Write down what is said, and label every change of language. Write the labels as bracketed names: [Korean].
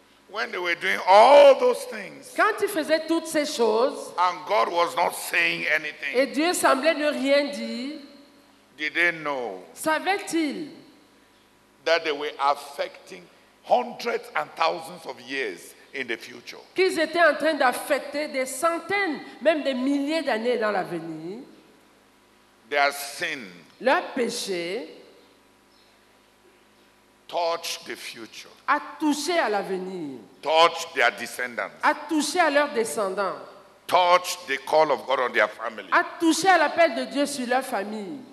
[English] When they were doing all those things, [French] quand ils faisaient toutes ces choses, [English] and God was not saying anything, [French] et Dieu semblait ne rien dire, [English] did they know? [French] Savaient-ils [English] that they were affecting hundreds and thousands of years in the future? [French] Qu'ils étaient en train d'affecter des centaines, même des milliers d'années dans l'avenir. [English] Their sin, [French] leur péché, [English] touched the future, [French] a touché à l'avenir, [English] touched their descendants, [French] a touché à leurs descendants, [English] touched the call of God on their family, [French] a touché à l'appel de Dieu sur leur famille,